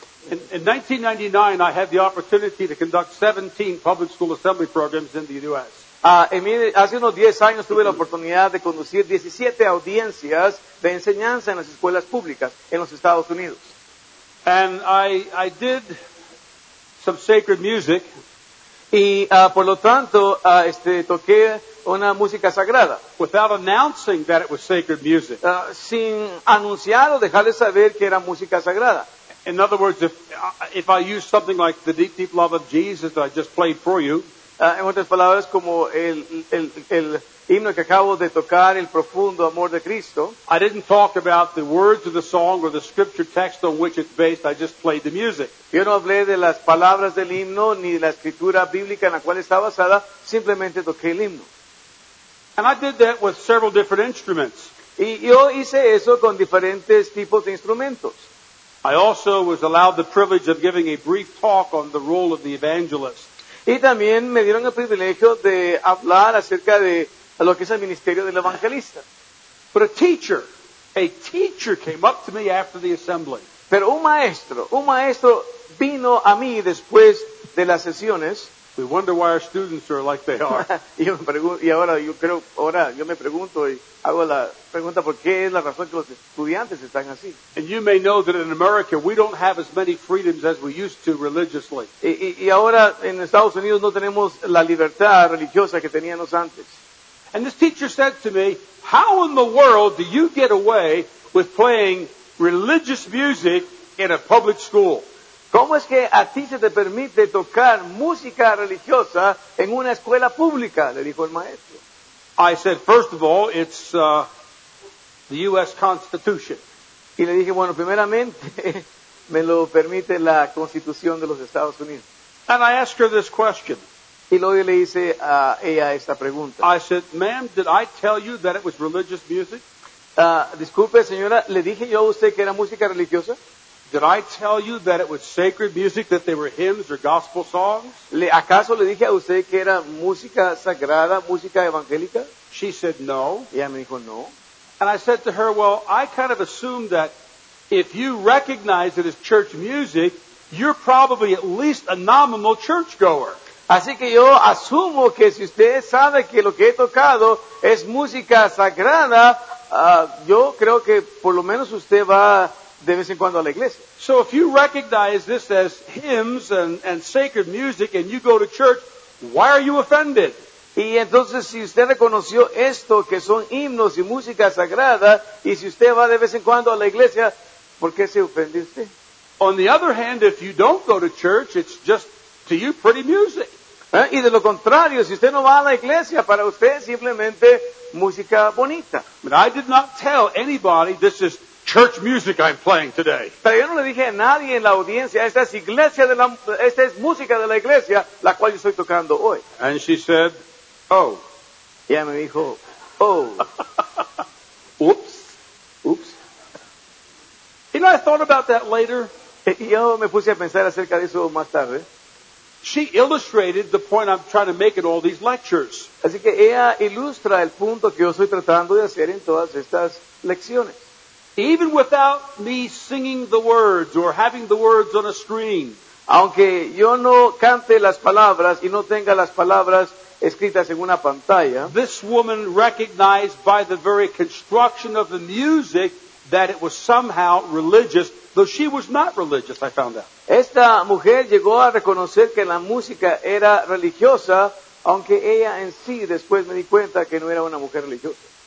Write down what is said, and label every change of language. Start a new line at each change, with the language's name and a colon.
English: In 1999, I had the opportunity to conduct 17 public school assembly programs in the U.S.
Spanish: Hace unos 10 años tuve la oportunidad de conducir 17 audiencias de enseñanza en las escuelas públicas en los Estados Unidos.
English: And I did some sacred music.
Spanish: Y por lo tanto, toqué una música sagrada.
English: Without announcing that it was sacred music.
Spanish: Sin anunciar o dejar de saber que era música sagrada.
English: In other words, if I use something like the deep, deep love of Jesus that I just played for you.
Spanish: En otras palabras, como el himno que acabo de tocar, el profundo amor de Cristo.
English: I didn't talk about the words of the song or the scripture text on which it's based. I just played the music.
Spanish: Yo no hablé de las palabras del himno ni de la escritura bíblica en la cual está basada. Simplemente toqué el himno.
English: And I did that with several different instruments.
Spanish: Y yo hice eso con diferentes tipos de instrumentos.
English: I also was allowed the privilege of giving a brief talk on the role of the evangelist.
Spanish: Y también me dieron el privilegio de hablar acerca de lo que es el ministerio del evangelista.
English: But a teacher came up to me after the assembly.
Spanish: Pero un maestro vino a mí después de las sesiones.
English: We wonder why our students are like they are.
Spanish: Y ahora yo me pregunto y hago la pregunta por qué es la razón que los estudiantes están así.
English: And you may know that in America we don't have as many freedoms as we used to religiously.
Spanish: Y ahora en Estados Unidos no tenemos la libertad religiosa que teníamos antes.
English: And this teacher said to me, "How in the world do you get away with playing religious music in a public school?"
Spanish: ¿Cómo es que a ti se te permite tocar música religiosa en una escuela pública? Le dijo el maestro.
English: I said, first of all, it's the U.S. Constitution.
Spanish: Y le dije, bueno, primeramente me lo permite la Constitución de los Estados Unidos.
English: And I asked her this question.
Spanish: Y luego le hice a ella esta pregunta.
English: I said, ma'am, did I tell you that it was religious music?
Spanish: Disculpe, señora, ¿le dije yo a usted que era música religiosa?
English: Did I tell you that it was sacred music, that they were hymns or gospel songs?
Spanish: ¿Acaso le dije a usted que era música sagrada, música evangélica?
English: She said no.
Spanish: Ella me dijo no.
English: And I said to her, well, I kind of assumed that if you recognize it as church music, you're probably at least a nominal churchgoer.
Spanish: Así que yo asumo que si usted sabe que lo que he tocado es música sagrada, yo creo que por lo menos usted va de vez en cuando a la iglesia.
English: So if you recognize this as hymns and sacred music and you go to church, why are you offended?
Spanish: Y entonces si usted reconoció esto que son himnos y música sagrada, y si usted va de vez en cuando a la iglesia, ¿por qué se ofende usted?
English: On the other hand, if you don't go to church, it's just to you, pretty music.
Spanish: Y de lo contrario, si usted no va a la iglesia, para usted simplemente música bonita.
English: But I did not tell anybody this is church music I'm playing today.
Spanish: Pero yo no le dije a nadie en la audiencia, esta es iglesia de la, esta es música de la iglesia, la cual yo estoy tocando hoy.
English: And she said, oh.
Spanish: Y ella me dijo, oh. Oops. Oops.
English: You know, I thought about that later.
Spanish: Y yo me puse a pensar acerca de eso más tarde.
English: She illustrated the point I'm trying to make in all these lectures.
Spanish: Así que ella ilustra el punto que yo estoy tratando de hacer en todas estas lecciones.
English: Even without me singing the words or having the words on a screen.
Spanish: Aunque yo no cante las palabras y no tenga las palabras escritas en una pantalla.
English: This woman recognized by the very construction of the music that it was somehow religious, though she was not religious, I found out.
Spanish: Esta mujer llegó a reconocer que la música era religiosa, aunque ella en sí después me di cuenta que no era una mujer religiosa.